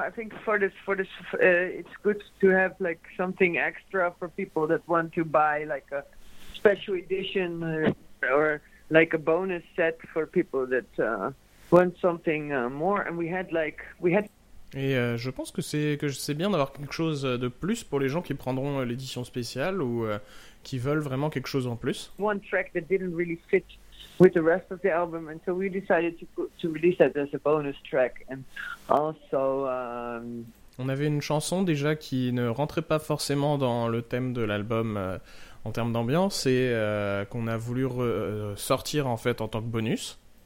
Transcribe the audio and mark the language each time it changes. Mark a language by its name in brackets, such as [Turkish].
[English] I think for this, it's good to have like something extra for people that want to buy like a special edition or like a bonus set for people that want something more. And we had. [French] Et je pense que c'est bien d'avoir quelque chose de plus pour les gens qui prendront l'édition spéciale ou qui veulent vraiment quelque chose en plus. [English] One track that didn't really fit with the rest of the album, and so we decided to release that as a bonus track. And also, [French] on avait une chanson déjà qui ne rentrait pas forcément dans le thème de l'album en termes d'ambiance et qu'on a voulu sortir en fait en tant que bonus.